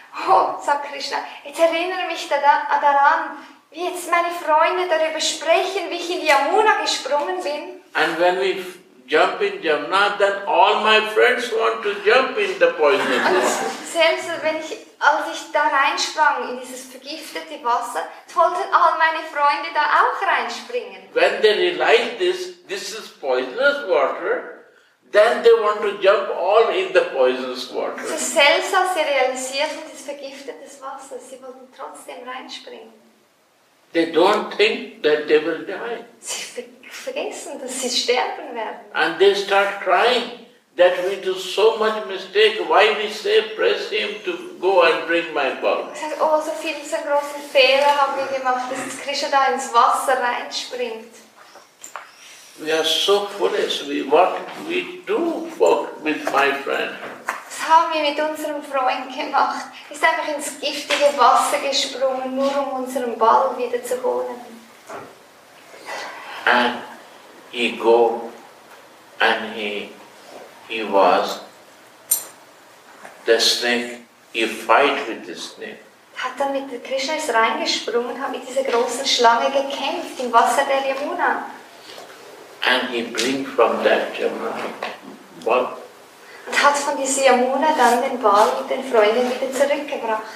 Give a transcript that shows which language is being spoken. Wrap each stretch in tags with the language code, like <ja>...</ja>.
<de>Oh, sagt Krishna, ich erinnere mich daran, wie jetzt meine Freunde darüber sprechen, wie ich in Yamuna gesprungen bin.</de> <en>And when we jump in Yamuna, then all my friends want to jump in the poisonous water.</en> <de>Selbst wenn ich, als ich da reinsprang in dieses vergiftete Wasser, wollten all meine Freunde da auch reinspringen.</de> <en>When they realize this is poisonous water, then they want to jump all in the poisonous water.</en> <de>So selbst als sie realisierten, das vergiftete Wasser, sie wollten trotzdem reinspringen.</de> <en>They don't think that they will die.</en> <de>Sie vergessen, dass sie sterben werden.</de> <en>And they start crying that we do so much mistake. Why we say press him to go and bring my ball?</en> <de>Sie sagen, oh, so viel, so große Fehler haben wir gemacht, dass Krishna da ins Wasser reinspringt.</de> <en>We are so foolish. What we do with my friend?</en> <de>Was haben wir mit unserem Freund gemacht? Ist einfach ins giftige Wasser gesprungen, nur um unseren Ball wieder zu holen.</de> <en>And he go and he was the snake. He fight with the snake.</en> <de>Hat dann mit der Krishna ist reingesprungen, hat mit dieser großen Schlange gekämpft im Wasser der Yamuna.</de> <en>And he bring from that Yamuna ball.</en> <de>Und hat von dieser Yamuna dann den Ball mit den Freunden wieder zurückgebracht.</de>